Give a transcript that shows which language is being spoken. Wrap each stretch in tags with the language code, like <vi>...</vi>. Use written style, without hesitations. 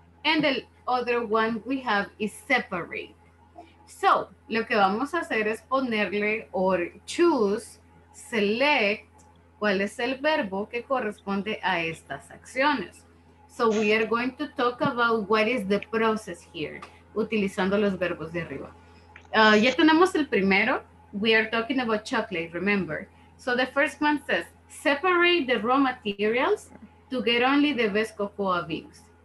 <en>And the other one we have is separate.</en> <es>So, lo que vamos a hacer es ponerle</es> <en>or choose, select,</en> <es>cuál es el verbo que corresponde a estas acciones.</es> <en>So, we are going to talk about what is the process here,</en> <es>utilizando los verbos de arriba. Ya tenemos el primero.</es> <en>We are talking about chocolate, remember. So the first one says, separate the raw materials to get only the best cocoa beans.</en>